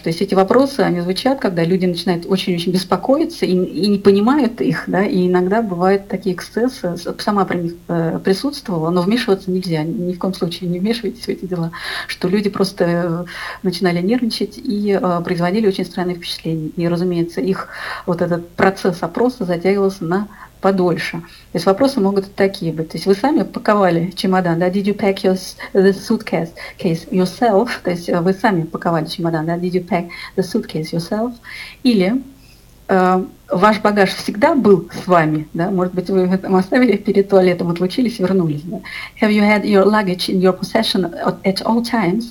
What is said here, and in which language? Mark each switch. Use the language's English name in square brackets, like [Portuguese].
[Russian] То есть эти вопросы, они звучат, когда люди начинают очень-очень беспокоиться и не понимают их, да, и иногда бывают такие эксцессы, сама при них присутствовала, но вмешиваться нельзя, ни в коем случае не вмешивайтесь в эти дела, что люди просто начинали нервничать и производили очень странные впечатления. И, разумеется, их вот этот процесс опроса затягивался на подольше. То есть вопросы могут такие быть. То есть вы сами паковали чемодан, да? [English] Did you pack your the suitcase case yourself? [Russian] То есть вы сами паковали чемодан, да? [English] Did you pack the suitcase yourself? [Russian] Или ваш багаж всегда был с вами, да? Может быть, вы там оставили перед туалетом, отлучились, вернулись, да? [English] Have you had your luggage in your possession at all times?